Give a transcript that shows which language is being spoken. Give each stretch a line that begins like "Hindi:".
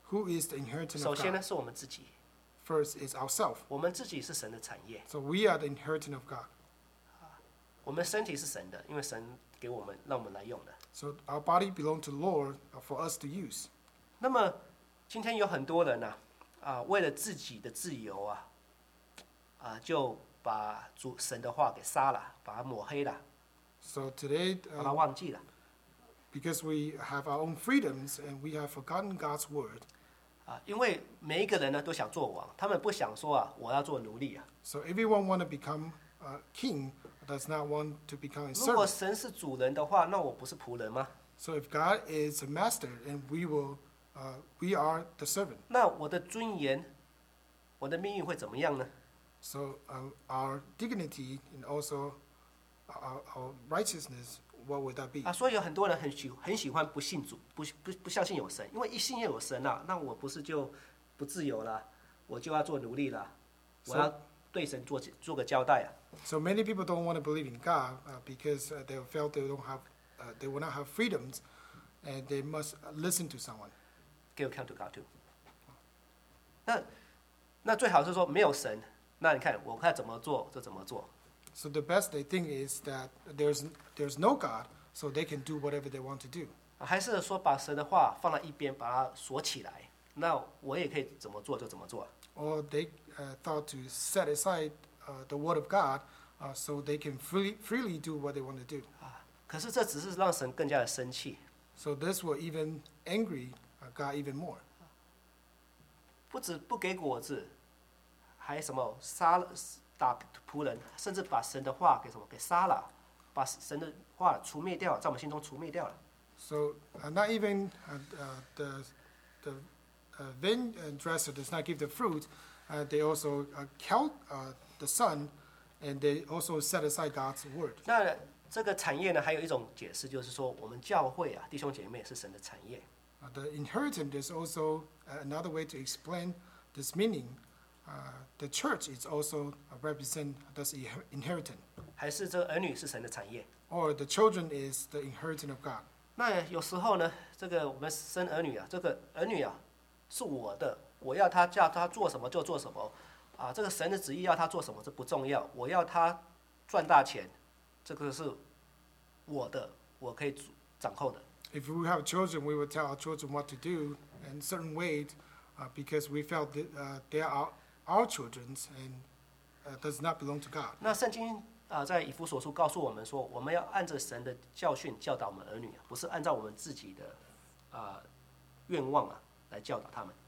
English: ？Who is the inheritance of God?
Chinese: 首先呢，是我们自己。
English: First is ourselves.
Chinese: 我们自己是神的产业。
English: So we are the inheritance of God.
Chinese: 我们身体是神的，因为神给我们，让我们来用的。
English: So our body belongs to the Lord for us to use.
Chinese: 那么今天有很多人啊，为了自己的自由啊，就把主神的话给杀了，把它抹黑了。
English: So today,
Chinese: 把它忘记了。
English: Because we have our own freedoms and we have forgotten God's word.
Chinese: 因为每一个人呢都想做王，他们不想说啊，我要做奴隶啊。
English: So everyone want to become a king, does not want to become a servant.
Chinese: 如果神是主人的话，那我不是仆人吗
English: ？So if God is a master, and we are the servant.
Chinese: 那我的尊严，我的命运会怎么样呢
English: ？So our dignity and also our righteousness, what would that be?
Chinese: 所以有很多人很喜欢不信主，不相信有神，因为一信有神啊，那我不是就不自由了，我就要做奴隶了，我要对神做个交代啊。
English: So many people don't want to believe in God because they felt they don't have, they will not have freedoms, and they must listen to someone. Give account to God too.
Chinese: 那最好是说没有神，那你看我看怎么做就怎么做。
English: So the best they think is that there's no God, so they can do whatever they want to do.
Chinese: 还是说把神的话放到一边，把它锁起来，那我也可以怎么做就怎么做。
English: Or they thought to set aside. The word of God, so they can freely do what they want to do.
Chinese: 可是这只是让神更加的生气。
English: So this will even angry God even more.
Chinese: 不止不给果子，还什么杀打仆人，甚至把神的话给什么给杀了，把神的话除灭掉，在我们心中除灭掉了。
English: So not even the vine dresser does not give the fruit, they also the sun, and they also set aside God's word.
Chinese: 那这个产业呢，还有一种解释，就是说我们教会啊，弟兄姐妹是神的产业。
English: The inheritance is also another way to explain this meaning. The church is also represent this inheritance.
Chinese: 还是这儿女是神的产业。
English: Or the children is the inheritance of God.
Chinese: 那有时候呢，这个我们生儿女啊，这个儿女啊是我的，我要他叫他做什么就做什么。这个神的旨意要他做什么这不重要，我要他赚大钱，这个是我的，我可以掌控的。
English: If we have children, we will tell our children what to do in certain ways, because we felt that they are our children and does not belong to God.
Chinese: 那圣经在以弗所书告诉我们说，我们要按着神的教训教导我们儿女，不是按照我们自己的愿望啊来教导他们。